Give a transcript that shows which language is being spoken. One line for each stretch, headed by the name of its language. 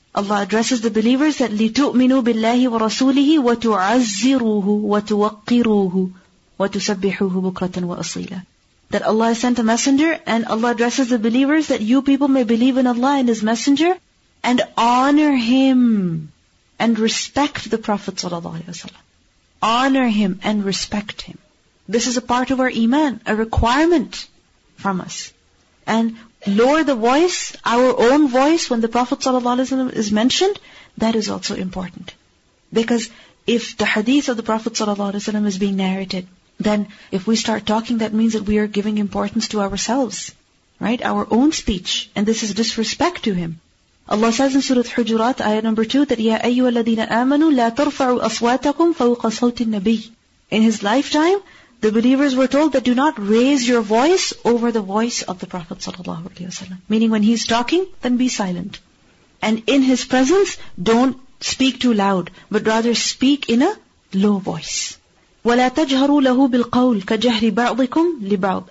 English: Allah addresses the believers that,
Arabic: لِتُؤْمِنُوا بِاللَّهِ وَرَسُولِهِ وَتُعَزِّرُوهُ وَتُوَقِّرُوهُ وَتُسَبِّحُوهُ بُكْرَةً وَأَصِيلًا.
English: That Allah has sent a messenger, and Allah addresses the believers that you people may believe in Allah and His messenger, and honor Him, and respect the Prophet ﷺ. Honor Him and respect Him. This is a part of our iman, a requirement from us. And lower the voice, our own voice, when the Prophet ﷺ is mentioned, that is also important. Because if the hadith of the Prophet ﷺ is being narrated, then if we start talking, that means that we are giving importance to ourselves, right? Our own speech. And this is disrespect to him. Allah says in Surah Hujurat, ayah number 2, that,
Arabic: يَا أَيُّوَ الَّذِينَ آمَنُوا لَا تَرْفَعُوا أَصْوَاتَكُمْ فَوْقَ صَوْتِ النَّبِيِّ.
English: In his lifetime, the believers were told that do not raise your voice over the voice of the Prophet ﷺ. Meaning when he's talking, then be silent. And in his presence, don't speak too loud, but rather speak in a low voice.
Arabic: وَلَا تَجْهَرُوا لَهُ بِالْقَوْلِ كَجَهْرِ بَعْضِكُمْ لِبَعْضٍ.